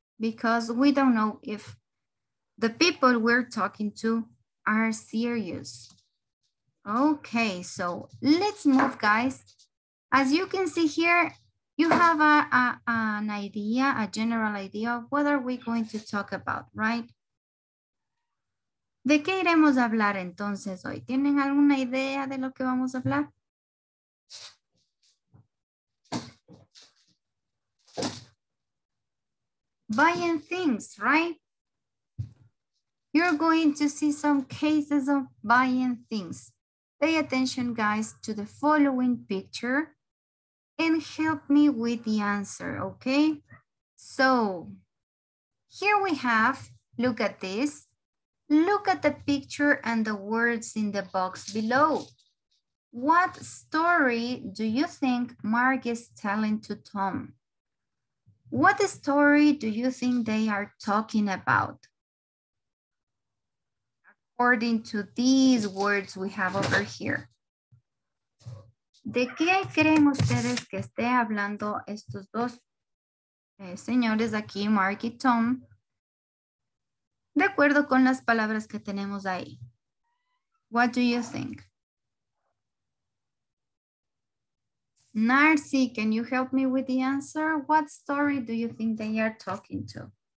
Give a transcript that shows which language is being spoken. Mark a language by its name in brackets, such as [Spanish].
[English] Because we don't know if the people we're talking to are serious. Okay, so let's move, guys. As you can see here, you have an idea, a general idea of what are we going to talk about, right? [Spanish] ¿De qué iremos a hablar entonces hoy? ¿Tienen alguna idea de lo que vamos a hablar? [English] Buying things, right? You're going to see some cases of buying things. Pay attention, guys, to the following picture and help me with the answer, okay? So here we have, look at this. Look at the picture and the words in the box below. What story do you think Mark is telling to Tom? What story do you think they are talking about? According to these words we have over here. [Spanish] ¿De qué creen ustedes que esté hablando estos dos señores aquí, Mark y Tom? De acuerdo con las palabras que tenemos ahí. [English] What do you think? Narcy, can you help me with the answer? What story do you think they are talking to?